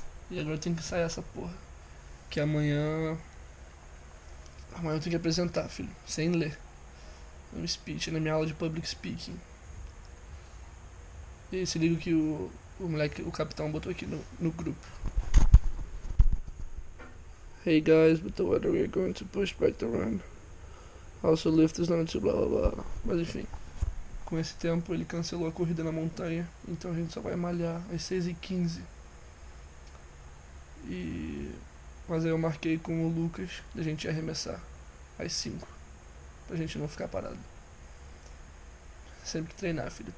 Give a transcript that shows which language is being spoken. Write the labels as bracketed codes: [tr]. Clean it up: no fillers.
[pt] E agora tem que sair essa porra. Que amanhã eu tenho que apresentar, filho. Sem ler. Um speech, na minha aula de public speaking. E aí, se liga que o moleque, o capitão botou aqui no grupo. [en] Hey guys, but the weather we are going to push back the run. Also lift is not to blah blah blah. [pt] Mas enfim, com esse tempo ele cancelou a corrida na montanha, então a gente só vai malhar às 6h15. Mas aí eu marquei com o Lucas da gente ir arremessar às 5. Pra gente não ficar parado. Sempre treinar, filho.